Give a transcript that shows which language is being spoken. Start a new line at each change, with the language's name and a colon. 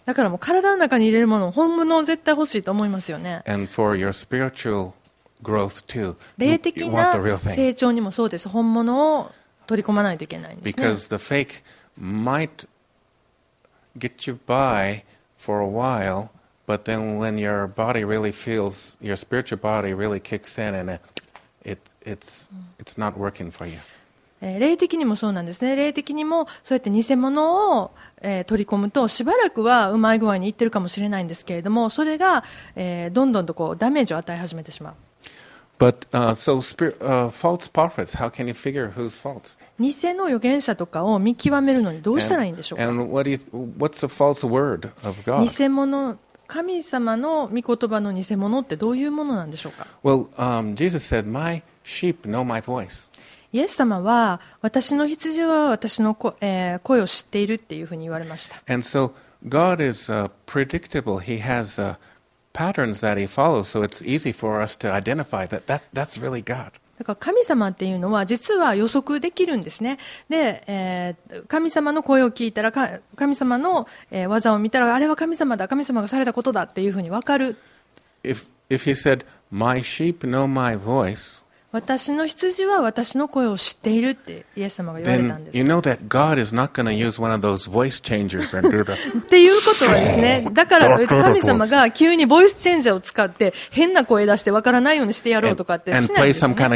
Japanese: だからもう体の中に入れるもの本物を絶対欲しいと思いますよね。
English: And for your spiritual growth too,
Japanese: 霊的な成長にもそうです。本物を取り込まないといけないんですね。
English: Because the fake might get you by for a while, But then when your body really feels, your spiritual body really kicks in and it's not working for you.
Japanese: 霊的にもそうなんですね。霊的にもそうやって偽物を、取り込むとしばらくはうまい具合にいってるかもしれないんですけれども、それが、どんどんとこうダメージを与え始めてしまう。
English: But, false prophets, how can you figure who's fault?
Japanese: 偽の預言者とかを見極めるのにどうしたらいいんでしょうか。
English: And what's the false word of God?
Japanese: 偽物、神様の御言葉の偽物ってどういうものなんでしょうか。
English: Well, Jesus said, my sheep know my voice.
Japanese: イエス様は私の羊は私の 声を知っているっていうふうに言われました。
English: And so God is predictable. He has patterns that he follows, so it's easy for us to identify that that's really God.
Japanese: だから神様っていうのは実は予測できるんですね。で、神様の声を聞いたら神様の技を見たらあれは神様だ、神様がされたことだっていうふうにわかる。
English: If he said, my sheep know my voice.
Japanese: 私の羊は私の声を知っているってイエス様が言われたんです。
English: You know one of those voice changers and do that.
Japanese: っていうことはですね、だから神様が急にボイスチェンジャーを使って変な声出してわからないようにしてやろうとかってしないんでしょうね。